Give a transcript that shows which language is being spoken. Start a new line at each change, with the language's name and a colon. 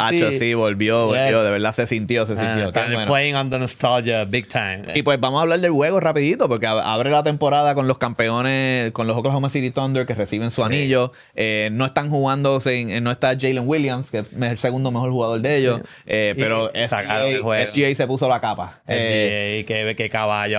Spanish: Hacho, sí, volvió, de verdad se sintió.
English: Playing on the nostalgia big time.
Spanish: Y pues vamos a hablar del juego rapidito porque abre la temporada con los campeones, con los Oklahoma City Thunder que reciben su anillo. No están jugando, no está Jalen Williams, que es el segundo mejor jugador de ellos, pero SGA se puso la capa. Qué caballo.